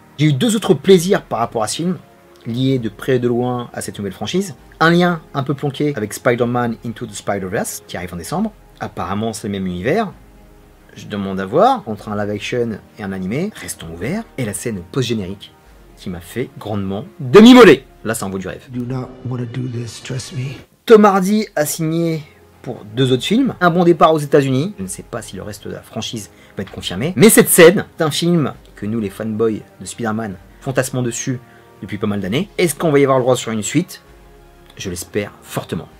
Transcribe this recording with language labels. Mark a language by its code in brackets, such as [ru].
[fr] J'ai eu deux autres plaisirs par rapport à ce film, liés de près et de loin à cette nouvelle franchise. Un lien un peu planqué avec Spider-Man Into the Spider-Verse, qui arrive en décembre. Apparemment, c'est le même univers. Je demande à voir, entre un live action et un animé, restons ouverts. Et la scène post-générique, qui m'a fait grandement demi-moller. Là, ça en vaut du rêve. [en] Do not wanna do this, trust me. [fr] Tom Hardy a signé pour deux autres films. Un bon départ aux États-Unis. Je ne sais pas si le reste de la franchise va être confirmé. Mais cette scène d'un film que nous, les fanboys de Spider-Man, fantasmons dessus depuis pas mal d'années. Est-ce qu'on va y avoir le droit sur une suite? Je l'espère fortement.